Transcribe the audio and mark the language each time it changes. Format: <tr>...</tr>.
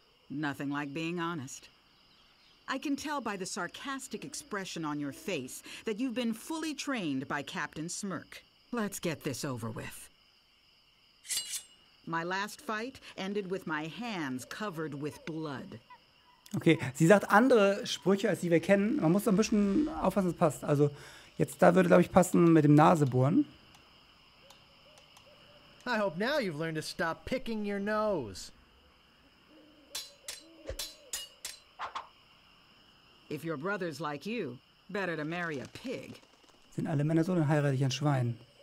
<en>Nothing like being honest. I can tell by the sarcastic expression on your face that you've been fully trained by Captain Smirk. Let's get this over with. My last fight ended with my hands covered with blood.</en> <de>Okay, sie sagt andere Sprüche, als die wir kennen. Man muss ein bisschen aufpassen, dass es passt. Also, jetzt da würde, glaube ich, passen mit dem Nasebohren.</de> <en>I hope now you've learned to stop picking your nose. If your brother's like you, better to marry a pig.</en> <de>Sind alle Männer so, dann heirate ich ein Schwein.</de>